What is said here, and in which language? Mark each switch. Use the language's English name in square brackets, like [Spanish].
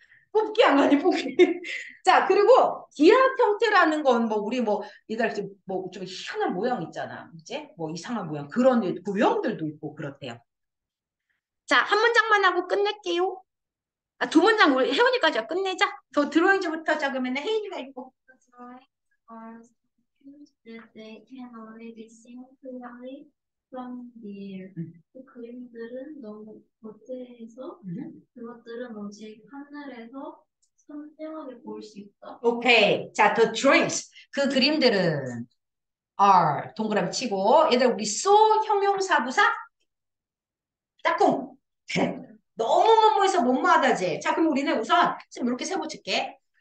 [Korean] 뽑기 안 가니 뽑기. 자, 그리고 기하 형태라는 건뭐 우리 뭐 이달 뭐좀 희한한 모양 있잖아, 이제 뭐 이상한 모양 그런 모형들도 있고 그렇대요. 자, 한 문장만 하고 끝낼게요. 아, 두 문장 우리 혜원이까지 끝내자. 더 드로잉즈부터 적으면 혜인이가 있고. [English] That they can only be seen clearly from the air. [Korean] 그 그림들은 너무 거대해서 그것들은 오직 하늘에서 선명하게 볼수 있다. 오케이. 자, [English] the drawings. [Korean] 그 그림들은 are. 동그라미 치고. 얘들아, 우리 so 형용사 부사? 짝꿍. 너무 뭐뭐해서 못 마다지. 자, 그럼 우리는 우선 지금 이렇게 세모 칠게.